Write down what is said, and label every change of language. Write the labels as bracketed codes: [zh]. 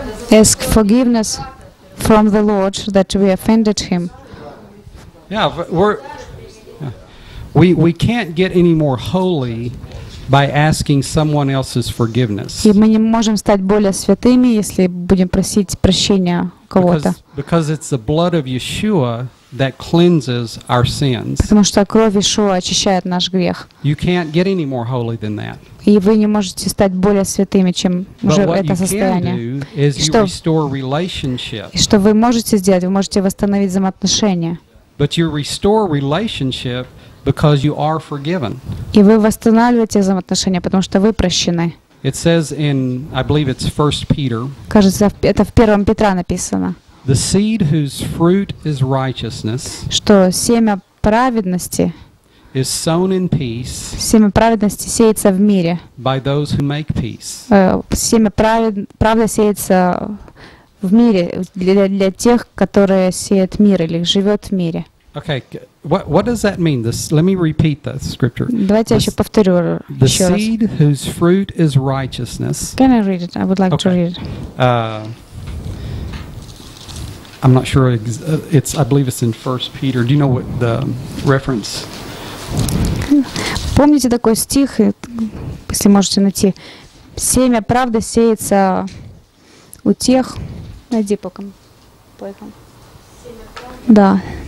[en] Ask forgiveness from the Lord that we offended him. Yeah, we can't get any more holy by asking someone else's forgiveness. [ru] И мы не можем стать более святыми, если будем просить прощения у кого-то. [en] Because it's the blood of Yeshua that cleanses our sins. [ru] Потому что кровь Иешуа очищает наш грех. [en] You can't get any more holy than that. [ru] И вы не можете стать более святыми, чем уже это состояние. [en] But what you can do is you restore relationship. [ru] И что вы можете сделать? Вы можете восстановить взаимоотношения. [en] But you restore relationship because you are forgiven. [ru] И вы восстанавливаете взаимоотношения, потому что вы прощены. [en] It says in, I believe it's 1 Peter. [ru] Кажется, это в 1 Петра написано. [en] The seed whose fruit is righteousness. [ru] Что семя праведности. [en] Is sown in peace. [ru] Семя праведности сеется в мире. [en] By those who make peace. [ru] Семя правды сеется в мире для тех, которые сеют мир или живут в мире. [en] Okay, what does that mean? Let me repeat the scripture. [ru] Давайте я еще повторю еще раз. [en] The seed whose fruit is righteousness. Can I read it? I would like to read it. I'm not sure. It's I believe it's in 1 Peter. Do you know what the reference? [ru] Помните такой стих, если можете найти. Семя правды сеется у тех. Найди пока. Да.